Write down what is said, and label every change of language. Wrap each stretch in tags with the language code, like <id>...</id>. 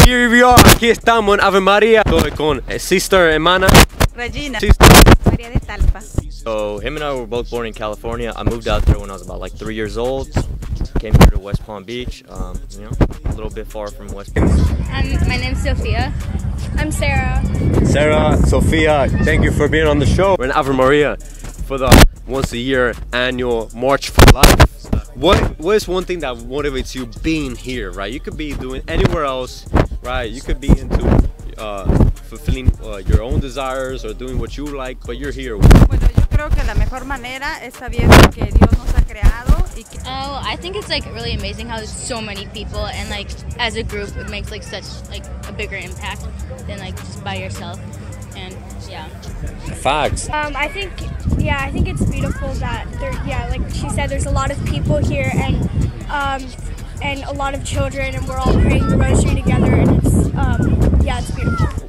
<en>Here we are,</en> <es>aquí estamos en Ave María. Estoy con sister, hermana. Regina. Sister. María de Talpa.</es> <en>So him and I were both born in California. I moved out there when I was about like 3 years old. Came here to West Palm Beach, a little bit far from West Palm Beach. My name's Sophia. I'm Sarah. Sarah, Sophia, thank you for being on the show. We're in Ave María for the once a year annual March for Life. What is one thing that motivates you being here, right? You could be doing anywhere else, right? You could be into fulfilling your own desires or doing what you like, but you're here.</en> <es>Bueno, yo creo que la mejor manera es sabiendo que Dios nos ha creado y que...</es> <en>Oh, I think it's like really amazing how there's so many people and like as a group it makes like such like a bigger impact than like just by yourself. And yeah. Facts. I think it's beautiful that there, yeah, like she said, there's a lot of people here and a lot of children, and we're all praying the rosary together, and it's it's beautiful.</en>